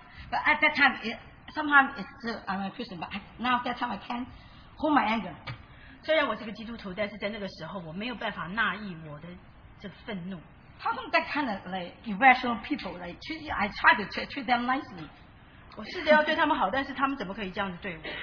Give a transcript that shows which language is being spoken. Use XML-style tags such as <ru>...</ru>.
<en>But at that time, sometimes it's still, I'm a Christian, but now at that time I can't hold my anger.</en> <zh>虽然我是个基督徒，但是在那个时候我没有办法纳抑我的这愤怒.</zh> <en>How come that kind of like irrational people, like I try to treat them nicely?</en> <zh>我试着要对他们好，但是他们怎么可以这样子对我？</zh>